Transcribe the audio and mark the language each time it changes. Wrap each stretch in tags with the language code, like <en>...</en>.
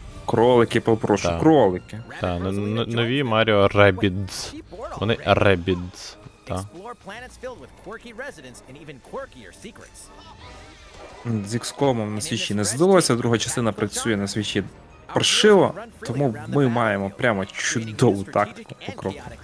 <uk>кролики, попрошу, кролики. Так, нові Mario Rabbids. Вони Rabbids.</uk> <en>Explore planets filled with quirky residents and even quirkier secrets.</en> <uk>З XCOM на свічі не здалося, друга частина працює на свічі паршиво, тому ми маємо прямо чудову тактику по кроку.</uk>